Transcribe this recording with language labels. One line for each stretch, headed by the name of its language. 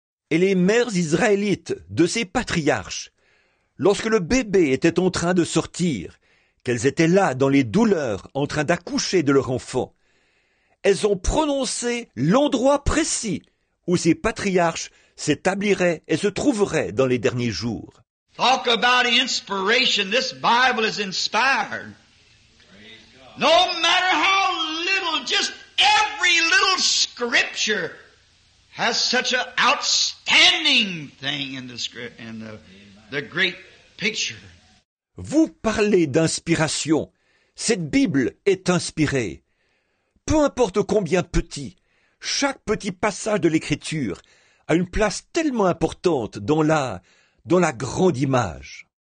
French: Et les mères israélites de ces patriarches, lorsque le bébé était en train de sortir, qu'elles étaient là dans les douleurs en train d'accoucher de leur enfant, elles ont prononcé l'endroit précis où ces patriarches s'établiraient et se trouveraient dans les derniers jours.
English: Talk about inspiration. This Bible is inspired. No matter how little, just every little scripture has such an outstanding thing in the script, in the great picture.
French: Vous parlez d'inspiration. Cette Bible est inspirée. Peu importe combien petit, chaque petit passage de l'Écriture a une place tellement importante dans la grande image.